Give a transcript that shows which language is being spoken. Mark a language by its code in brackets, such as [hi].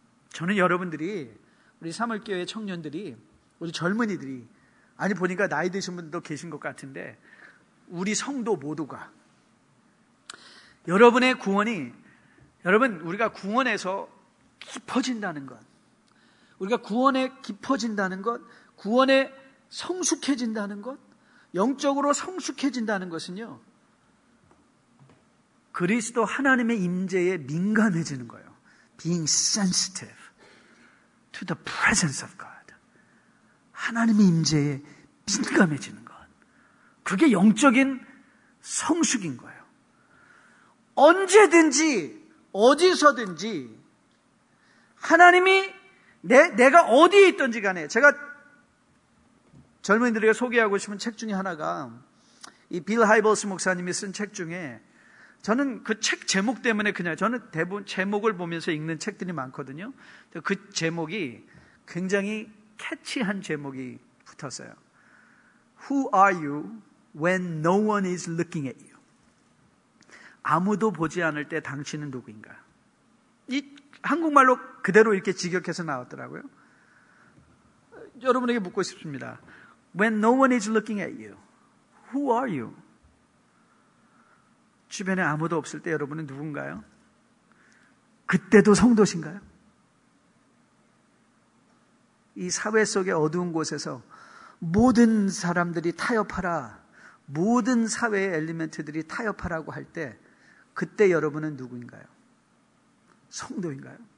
[ko] 저는 여러분들이, 우리 사물교회 청년들이, 우리 젊은이들이, 아니 보니까 나이 드신 분도 계신 것 같은데, 우리 성도 모두가 여러분의 구원이, 여러분 우리가 구원에서 깊어진다는 것, 우리가 구원에 깊어진다는 것, 구원에 성숙해진다는 것, 영적으로 성숙해진다는 것은요, 그리스도 하나님의 임재에 민감해지는 거예요. [en] Being sensitive to the presence of God. [ko] 하나님의 임재에 민감해지는 것. 그게 영적인 성숙인 거예요. 언제든지 어디서든지 하나님이 내가 어디에 있든지 간에, 제가 젊은이들에게 소개하고 싶은 책 중에 하나가 이 빌 하이벌스 목사님이 쓴 책 중에, 저는 그 책 제목 때문에 그냥, 저는 대부분 제목을 보면서 읽는 책들이 많거든요. 그 제목이 굉장히 캐치한 제목이 붙었어요. [en] Who are you when no one is looking at you? [ko] 아무도 보지 않을 때 당신은 누구인가? 이 한국말로 그대로 이렇게 직역해서 나왔더라고요. 여러분에게 묻고 싶습니다. [en] When no one is looking at you, who are you? [ko] 주변에 아무도 없을 때 여러분은 누군가요? 그때도 성도신가요? 이 사회 속의 어두운 곳에서 모든 사람들이 타협하라, 모든 사회의 엘리멘트들이 타협하라고 할 때, 그때 여러분은 누구인가요? 성도인가요?